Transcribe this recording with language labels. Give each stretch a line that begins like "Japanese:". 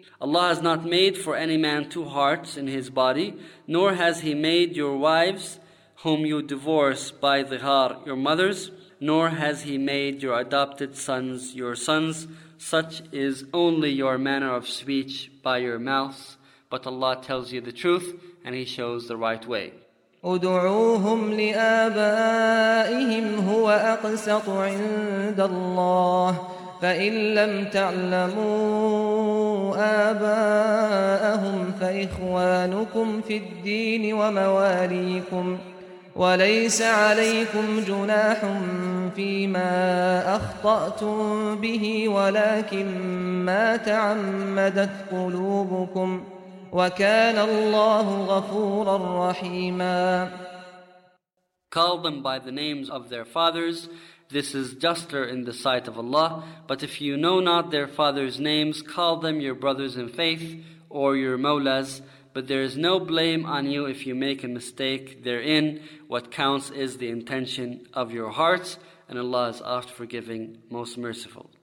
English: Allah has not made for any man two hearts in his body, nor has He made your wives, whom you divorce by dhihar, your mothers, nor has He made your adopted sons your sons. Such is only your manner of speech by your mouth, but Allah tells you the truth and He shows the right way.
Arabic: ادعوهم لآبائهم هو أقسط عند الله فإن لم تعلموا آباءهم فإخوانكم في الدين ومواليكم وليس عليكم جناح فيما أخطأتم به ولكن ما تعمدت قلوبكم وكان الله غفورا رحيما
English: Call them by the names of their fathers. This is juster in the sight of Allah. But if you know not their fathers' names, call them your brothers in faith or your mawlas. But there is no blame on you if you make a mistake therein. What counts is the intention of your hearts, and Allah is oft forgiving, most merciful.